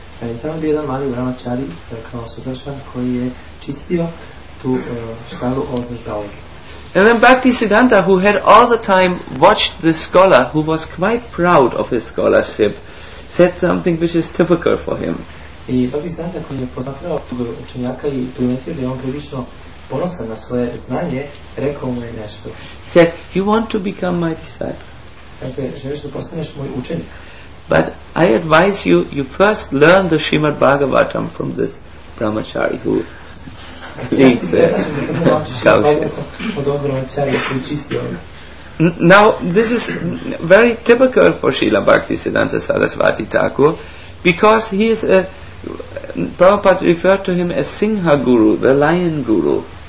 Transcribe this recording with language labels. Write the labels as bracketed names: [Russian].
[English] And there was a little brahmachari, like Sudarshan, who was cleaning the goshala from the dung. And then Bhakti Siddhanta, who had all the time watched the scholar, who was quite proud of his scholarship, said something which is typical for him. [Serbian] I Bhakti Siddhanta koji je posmatrao tog učenjaka i primetio da je on prilično ponosan na svoje znanje, rekao mu je nešto. [English] Said, you want to become my disciple. [Serbian] Dakle, želiš da postaneš moj učenik. [English] But I advise you, you first learn the Srimad Bhagavatam from this brahmachari who cleans the cowshed. Now, this is very typical for Srila Bhakti Siddhanta Sarasvati Thakur, because he is a Prabhupada referred to him as Singha Guru, the Lion Guru.